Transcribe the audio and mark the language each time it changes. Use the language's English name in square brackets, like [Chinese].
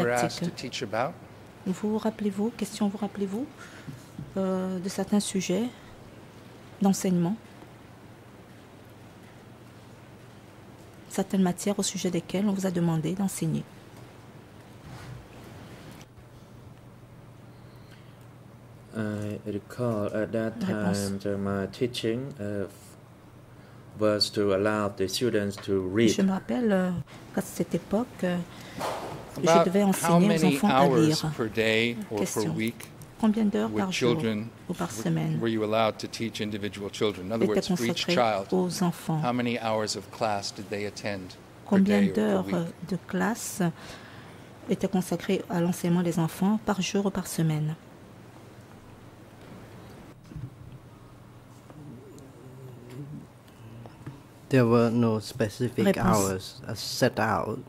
[English] Were asked to teach about? [French] Vous rappelez-vous, question, vous rappelez-vous de certains sujets d'enseignement? Certaines matières au sujet desquelles on vous a demandé d'enseigner? [English] I recall at that time that my teaching was to allow the students to read. [French] Je me rappelle qu'à cette époque, je devais enseigner aux enfants à lire. [English] How many hours per day or per week [French] Combien d'heures par jour ou par semaine [English] were you allowed to teach individual children? In other words, for each child, [French] aux enfants. [English] How many hours of class did they attend? [French] combien d'heures de classe étaient consacrées à l'enseignement des enfants par jour ou par semaine? [English] There were no specific hours set out.